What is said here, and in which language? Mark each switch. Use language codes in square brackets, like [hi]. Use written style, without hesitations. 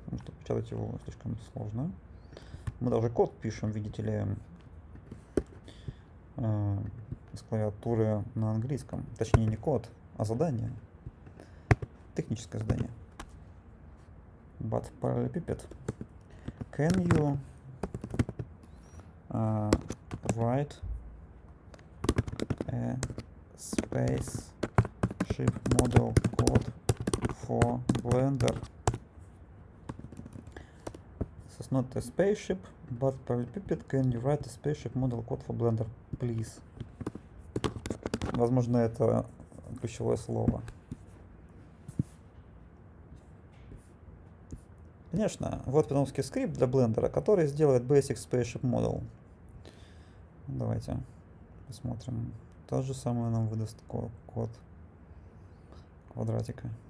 [ru] Потому что печатать его слишком сложно. Мы даже код пишем, видите ли. С клавиатуры на английском. Точнее, не код, а задание. Техническое задание. But параллелепипед. [en] Can you write a spaceship model code for Blender? This is not a spaceship, but [ru] параллелепипед. [en] Can you write a spaceship model code for Blender, please? [ru] Возможно, это ключевое слово. Конечно, вот питомский скрипт для блендера, который сделает [en] Basic Spaceship Model. [ru] Давайте посмотрим. Тот же самый нам выдаст код квадратика.